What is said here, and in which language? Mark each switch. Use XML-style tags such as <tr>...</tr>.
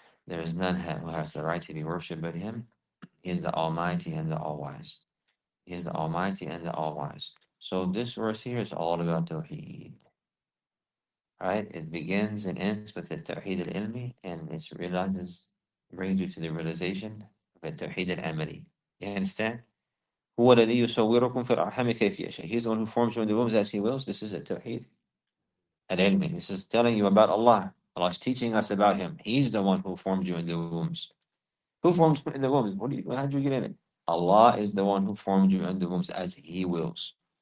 <en>There is none who has the right to be worshipped but him. He is the Almighty and the All-Wise. He is the Almighty and the All-Wise. So this verse here is all about Tawheed. Right? It begins and ends with the Tawheed al-Ilmi, and it realizes, brings you to the realization of the Tawheed al-Amali. You understand?</en> <ar>هو الذي يصوركم في الأرحام كيف يشاء.</ar> <en>He is the one who forms you in the wombs as he wills. This is the Tawheed al-Ilmi. This is telling you about Allah. Allah is teaching us about him. He's the one who formed you in the wombs. Who forms you in the wombs? How did you get in it? Allah is the one who formed you in the wombs as he wills.</en>